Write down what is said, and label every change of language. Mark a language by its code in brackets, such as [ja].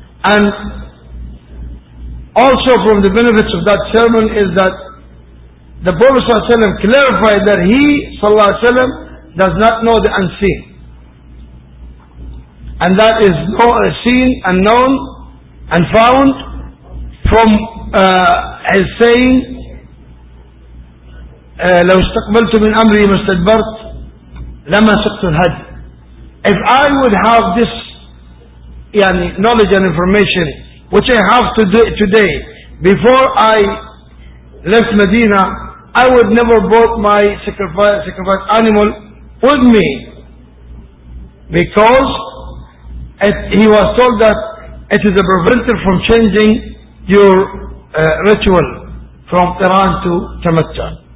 [en] And also from the benefits of that sermon is that the Prophet ﷺ clarified that he ﷺ does not know the unseen. And that is known, seen and known and found from his saying [ar] لو استقبلت من أمري ما استدبرت لما سقت الهد. [en] If I would have this [ar] يعني [en] knowledge and information which I have to do today before I left Medina, I would never brought my sacrifice animal with me, because he was told that it is a preventer from changing your ritual from Quran to Tamattu.